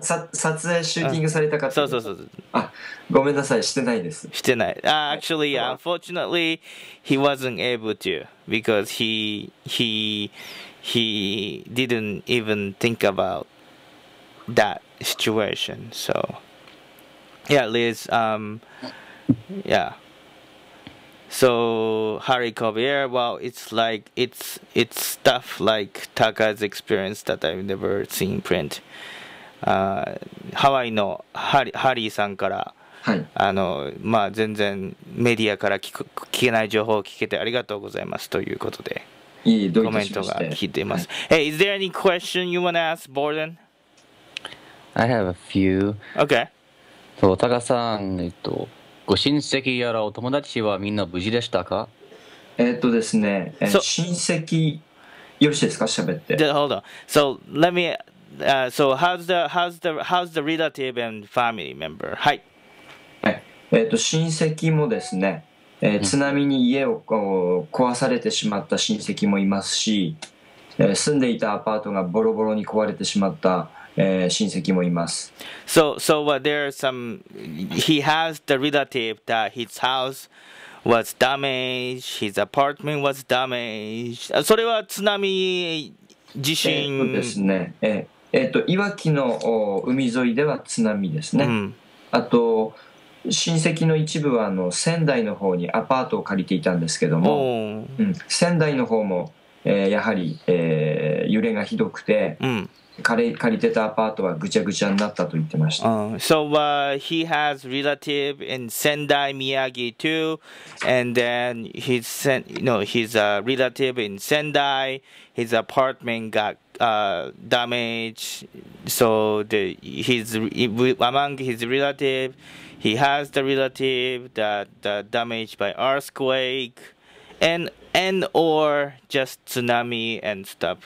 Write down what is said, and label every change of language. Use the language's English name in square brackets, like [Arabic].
[Japanese] さ撮影シューティングされたかった。そう。あ、ごめんなさい、してないです。してない。 [English] Actually, unfortunately, he wasn't able to because he didn't even think about that situation. So, yeah, Liz. Yeah. So, Harry Cobier. Well, it's stuff like Taka's experience that I've never seen print. [Japanese] ハワイのハリーさんから、はい、全然メディアから聞けない情報を聞けてありがとうございますということで、コメントが聞いています。はい、 [English] Hey, is there any question you want to ask Borden? I have a few. Okay. [Japanese] そう、タカさん、ご親戚やらお友達はみんな無事でしたか？ですね、親戚、よろしいですか、喋って。 [English] Hold on. So, let me... So how's the relative and family member? [Japanese] はい。親戚もですね、津波に家を壊されてしまった親戚もいますし、住んでいたアパートがボロボロに壊れてしまった、親戚もいます。 [English] So there are some, he has the relative that his house was damaged, his apartment was damaged. [Japanese] それは津波地震ですね。いわきの海沿いでは津波ですね。うん、あと親戚の一部は仙台の方にアパートを借りていたんですけども、うん、仙台の方も、やはり、揺れがひどくて、うん、借りてたアパートはぐちゃぐちゃになったと言ってました。 [English] So, he has relative in Sendai, Miyagi too, and then relative in Sendai, his apartment got damaged. So among his relative, he has the relative that damaged by earthquake and or just tsunami and stuff.